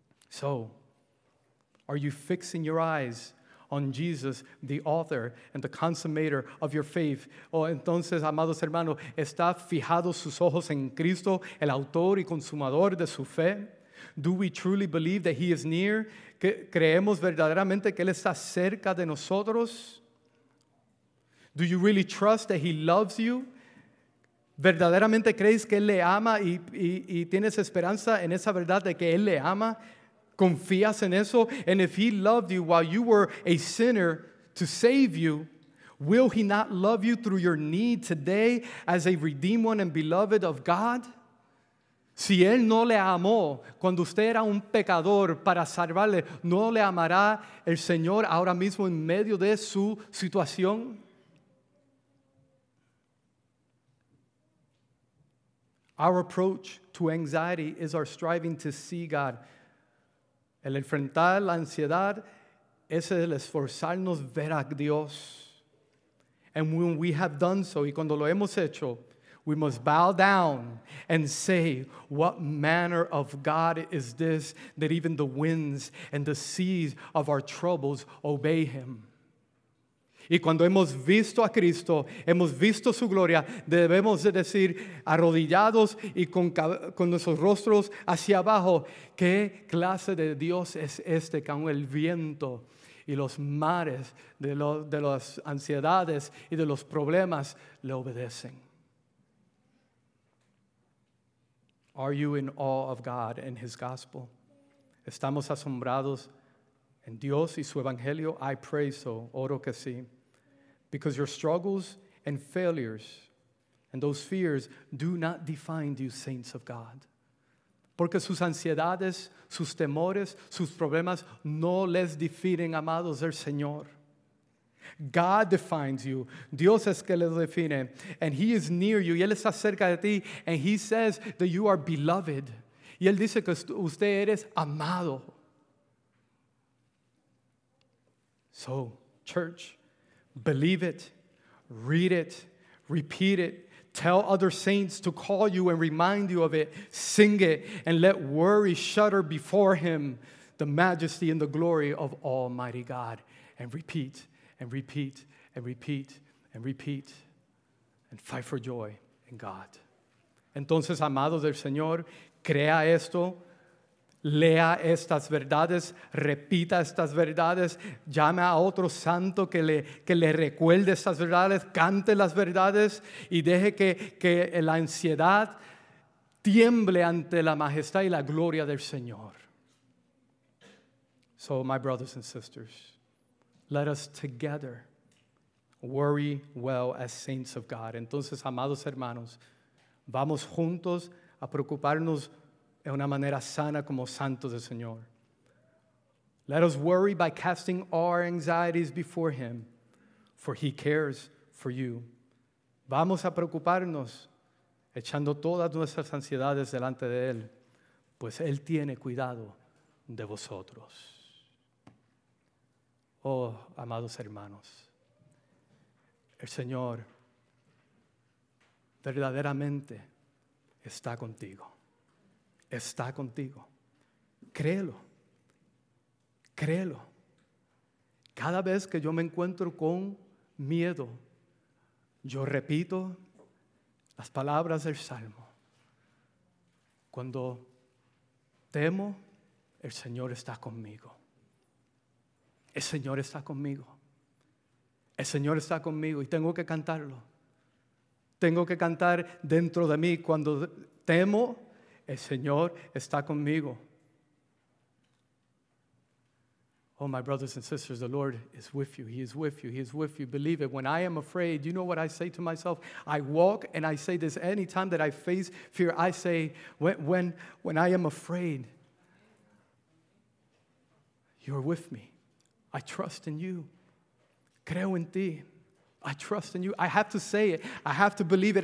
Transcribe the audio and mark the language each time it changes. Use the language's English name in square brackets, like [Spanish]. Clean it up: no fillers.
[English] So, are you fixing your eyes on Jesus, the author and the consummator of your faith? [Spanish] Oh, entonces, amados hermanos, ¿está fijado sus ojos en Cristo, el autor y consumador de su fe? [English] Do we truly believe that he is near? [Spanish] ¿Creemos verdaderamente que él está cerca de nosotros? [English] Do you really trust that he loves you? [Spanish] ¿Verdaderamente crees que él le ama y tienes esperanza en esa verdad de que él le ama? ¿Confías en eso? [English] And if he loved you while you were a sinner to save you, will he not love you through your need today as a redeemed one and beloved of God? [Spanish] Si él no le amó cuando usted era un pecador para salvarle, ¿no le amará el Señor ahora mismo en medio de su situación? [English] Our approach to anxiety is our striving to see God. [Spanish] El enfrentar la ansiedad es el esforzarnos ver a Dios. [English] And when we have done so, [Spanish] y cuando lo hemos hecho, [English] we must bow down and say, what manner of God is this that even the winds and the seas of our troubles obey him? [Spanish] Y cuando hemos visto a Cristo, hemos visto su gloria, debemos de decir, arrodillados y con nuestros rostros hacia abajo, ¿qué clase de Dios es este que aún el viento y los mares de las ansiedades y de los problemas le obedecen? [English] Are you in awe of God and his gospel? [Spanish] ¿Estamos asombrados en Dios y su evangelio? [English] I pray so. [Spanish] Oro que sí. [English] Because your struggles and failures and those fears do not define you, saints of God. [Spanish] Porque sus ansiedades, sus temores, sus problemas no les definen, amados del Señor. [English] God defines you. [Spanish] Dios es que le define. [English] And he is near you. [Spanish] Y él está cerca de ti. [English] And he says that you are beloved. [Spanish] Y él dice que usted eres amado. [English] So, church, believe it, read it, repeat it. Tell other saints to call you and remind you of it. Sing it and let worry shudder before him, the majesty and the glory of Almighty God. And repeat and repeat and repeat and repeat and fight for joy in God. [Spanish] Entonces, amados del Señor, crea esto. Lea estas verdades, repita estas verdades, llame a otro santo que le recuerde estas verdades, cante las verdades y deje que la ansiedad tiemble ante la majestad y la gloria del Señor. [English] So, my brothers and sisters, let us together worry well as saints of God. [Spanish] Entonces, amados hermanos, vamos juntos a preocuparnos en una manera sana como santos del Señor. [English] Let us worry by casting our anxieties before him, for he cares for you. [Spanish] Vamos a preocuparnos echando todas nuestras ansiedades delante de él, pues él tiene cuidado de vosotros. Oh, amados hermanos, el Señor verdaderamente está contigo. Está contigo. Créelo. Créelo. Cada vez que yo me encuentro con miedo, yo repito las palabras del Salmo. Cuando temo, el Señor está conmigo. El Señor está conmigo. El Señor está conmigo y tengo que cantarlo. Tengo que cantar dentro de mí cuando temo. El Señor está conmigo. [English] Oh, my brothers and sisters, the Lord is with you. He is with you. He is with you. Believe it. When I am afraid, you know what I say to myself? I walk and I say this anytime that I face fear. I say, when I am afraid, you are with me. I trust in you. [Spanish] Creo en ti. [English] I trust in you. I have to say it. I have to believe it.